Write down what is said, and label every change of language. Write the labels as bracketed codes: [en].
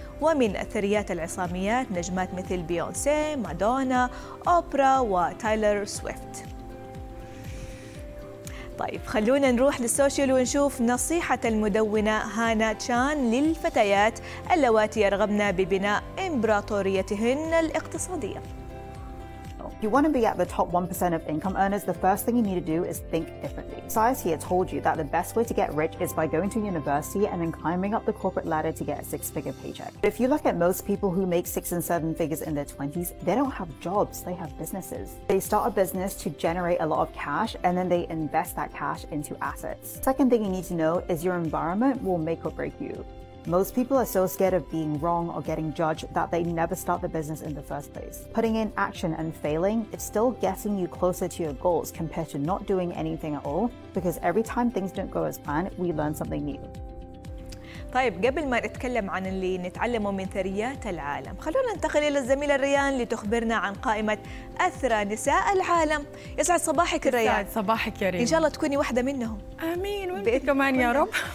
[ar] ومن الثريات العصاميات نجمات مثل بيونسي، مادونا، أوبرا وتايلر سويفت. طيب خلونا نروح للسوشيال ونشوف نصيحة المدونة هانا تشان للفتيات اللواتي يرغبن ببناء إمبراطوريتهن الاقتصادية. [en] If you want to be at the top 1% of income earners, the first thing you need to do is think differently. Society has told you that the best way to get rich is by going to university and then climbing up the corporate ladder to get a six-figure paycheck. But if you look at most people who make six and seven figures in their 20s, they don't have jobs, they have businesses. They start a business to generate a lot of cash and then they invest that cash into assets. Second thing you need to know is your environment will make or break you. Most people are so scared of being wrong or getting judged that they never start the business in the first place. Putting in action and failing is still getting you closer to your goals compared to not doing anything at all, because every time things don't go as planned, we learn something new. [ar] طيب قبل ما نتكلم عن اللي نتعلمه من ثريات العالم، خلونا ننتقل إلى الزميلة ريان لتخبرنا عن قائمة أثرى نساء العالم. يسعد صباحك ريان. يسعد صباحك يا ريان. إن شاء الله تكوني واحدة منهم. آمين وإنت كمان يا رب.